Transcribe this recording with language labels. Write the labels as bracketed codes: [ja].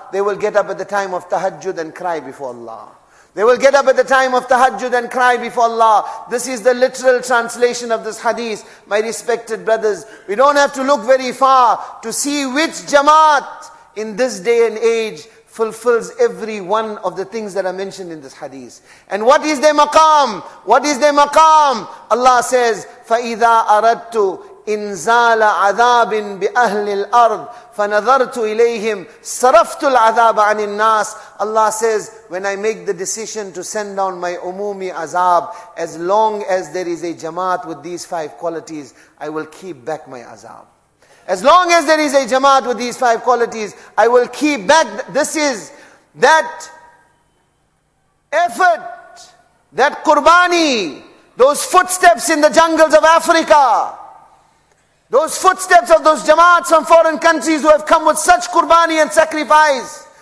[en] They will get up at the time of tahajjud and cry before Allah. They will get up at the time of tahajjud and cry before Allah. This is the literal translation of this hadith. My respected brothers, we don't have to look very far to see which jamaat in this day and age fulfills every one of the things that are mentioned in this hadith. And what is their maqam? What is their maqam? Allah says, [ar] فَإِذَا أَرَدْتُ إِنْزَالَ عَذَابٍ بِأَهْلِ الْأَرْضِ فَنَظَرْتُ إِلَيْهِمْ صَرَفْتُ الْعَذَابَ عَنِ النَّاسِ. [en] Allah says, when I make the decision to send down my umumi azab, as long as there is a jamaat with these five qualities, I will keep back my azab. As long as there is a jamaat with these five qualities, I will keep back. This is that effort, that qurbani, those footsteps in the jungles of Africa, those footsteps of those jamaats from foreign countries who have come with such qurbani and sacrifice.